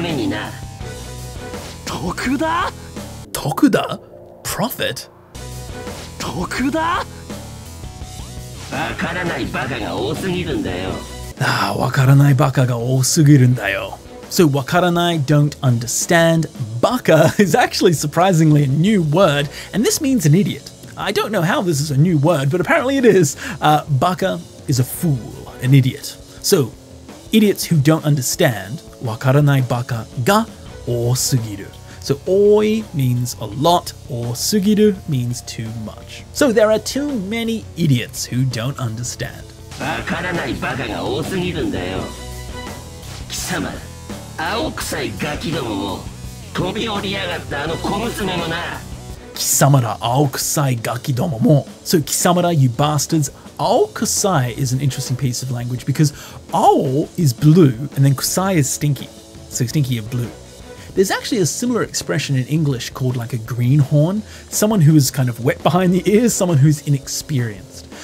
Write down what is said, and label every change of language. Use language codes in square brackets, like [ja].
[ja] みんなで得するためにな。得だ？得だ？ [en] Profit？ [ja] 得だ？わからないバカが多すぎるんだよ。ああ、わからないバカが多すぎるんだよ。 [en] So, [ja] わからない [en] don't understand. バカ is actually surprisingly a new word, and this means an idiot. I don't know how this is a new word, but apparently it is. バカ is a fool, an idiot. So,Idiots who don't understand, [ja] わからないバカが多すぎる。 [en] So, 多い means a lot, 多すぎる means too much. So, there are too many idiots who don't understand. [ja] わからないバカが多すぎるんだよ。貴様、青臭いガキどもも、飛び降りやがったあの小娘もな。貴様ら青臭いガキどもも。 [en] So, [ja] 貴様ら [en] you bastards, [ja] Ao kusai [en] is an interesting piece of language because ao is blue and then kusai is stinky. So stinky of blue. There's actually a similar expression in English called like a greenhorn. Someone who is kind of wet behind the ears, someone who's inexperienced.